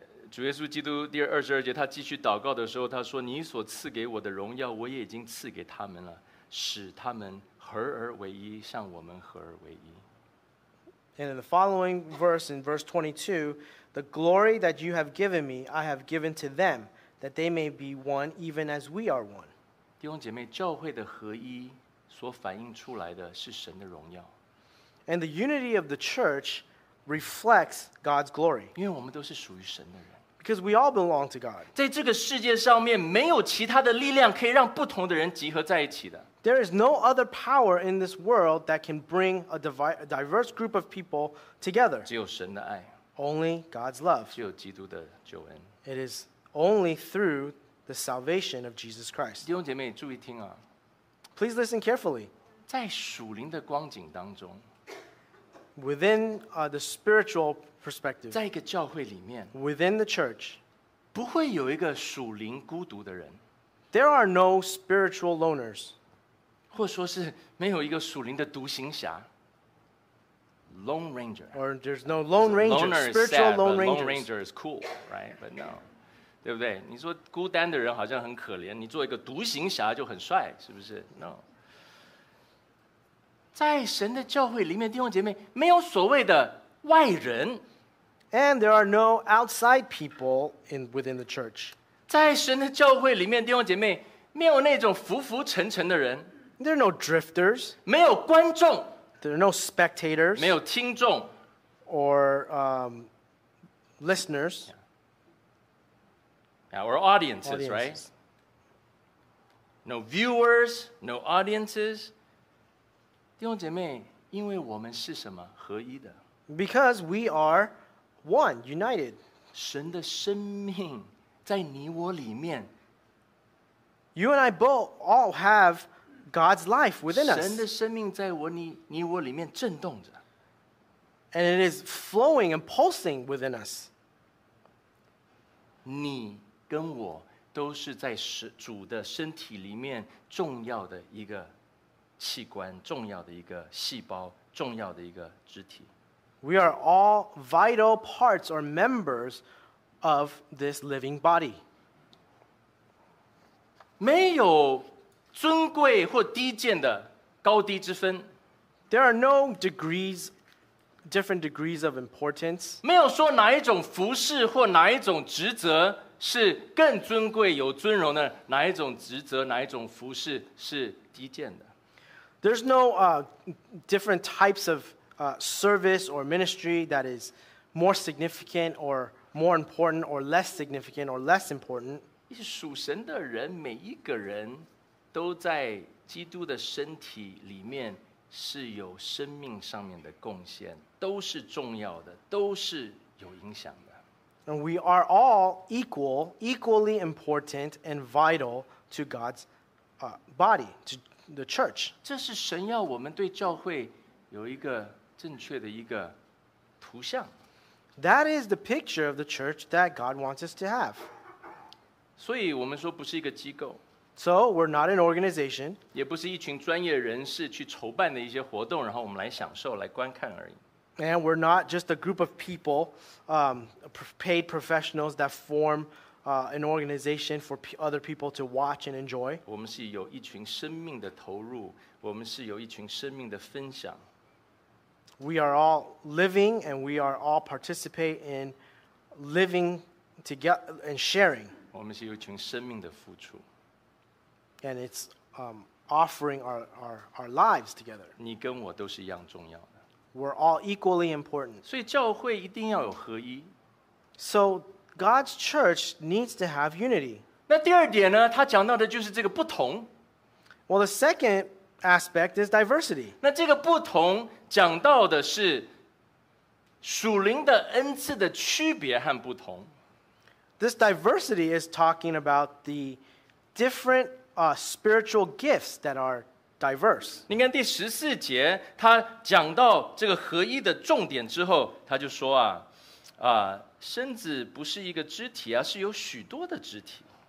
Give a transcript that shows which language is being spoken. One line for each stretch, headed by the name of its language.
Chinese: 主耶稣基督第二十二节他继续祷告的时候他说你所赐给我的荣耀我也已经赐给他们了使他们合而为一像我们合而为一
English: And in the following verse in verse 22 the glory that you have given me I have given to them. That they may be one, even as we are one.
Chinese: 弟兄姐妹，教会的合一所反映出来的是神的荣耀。
English: And the unity of the church reflects God's glory.
Chinese: 因为我们都是属于神的人。
English: Because we all belong to God.
Chinese: 在这个世界上面，没有其他的力量可以让不同的人集合在一起的。
English: There is no other power in this world that can bring a diverse group of people together.
Chinese: 只有神的爱。
English: Only God's love.
Chinese: 只有基督的救恩。
English: It is. Only through the salvation of Jesus Christ.
Chinese: 弟兄姐妹，注意听啊。
English: Please listen carefully.
Chinese: 在属灵的光景当中
English: Within the spiritual perspective.
Chinese: 在一个教会里面
English: Within the church.
Chinese: 不会有一个属灵孤独的人
English: There are no spiritual loners.
Chinese: 或说是没有一个属灵的独行侠
English: Lone ranger. Or there's no lone ranger. Spiritual lone ranger. Lone ranger is cool, right? But no.
Chinese: 对不对？你说孤单的人好像很可怜，你做一个独行侠就很帅，是不是 ？
English: No，
Chinese: 在神的教会里面，弟兄姐妹没有所谓的外人
English: ，and there are no outside people in within the church。
Chinese: 在神的教会里面，弟兄姐妹没有那种浮浮沉沉的人
English: ，there are no drifters，
Chinese: 没有观众
English: ，there are no spectators，
Chinese: 没有听众
English: ，or listeners。 Our audiences, right? No viewers, no audiences.
Chinese: 弟兄姐妹，因为我们是什么？合一的。
English: Because we are one, united.
Chinese: 神的生命在你我里面。
English: You and I both all have God's life within us.
Chinese: 神的生命在我你我里面震动着。
English: And it is flowing and pulsing within us.
Chinese: 你跟我都是在主的身体里面重要的一个器官，重要的一个细胞，重要的一个肢体。
English: We are all vital parts or members of this living body.
Chinese: 没有尊贵或低贱的高低之分。
English: There are no degrees, different degrees of importance.
Chinese: 没有说哪一种服事或哪一种职责。是更尊贵有尊荣的哪一种职责哪一种服事是低贱的
English: There's no different types of service or ministry that is more significant or more important or less significant or less important
Chinese: 属神的人每一个人都在基督的身体里面是有生命上面的贡献都是重要的都是有影响的
English: And we are all equal, equally important and vital to God's body, to the church.
Chinese: 这是神要我们对教会有一个正确的一个图像。
English: That is the picture of the church that God wants us to have.
Chinese: 所以我们说不是一个机构。
English: So we're not an organization.
Chinese: 也不是一群专业人士去筹办的一些活动，然后我们来享受、来观看而已。
English: And we're not just a group of people, paid professionals that form an organization for other people to watch and enjoy.
Chinese: 我们是有一群生命的投入，我们是有一群生命的分享。
English: We are all living and we are all participate in living together and sharing.
Chinese: 我们是有一群生命的付出。
English: And it's offering our lives together.
Chinese: 你跟我都是一样重要的。
English: We're all equally important.
Chinese: 所以教会一定要有合一。
English: So God's church needs to have unity.
Chinese: 那第二点呢，他讲到的就是这个不同。
English: Well, the second aspect is diversity.
Chinese: 那这个不同讲到的是属灵的恩赐的区别和不同。
English: This diversity is talking about the different spiritual gifts that are diverse.
Chinese: 你看第十四节，他讲到这个合一的重点之后，他就说身子不是一个肢体啊，是有许多的肢体。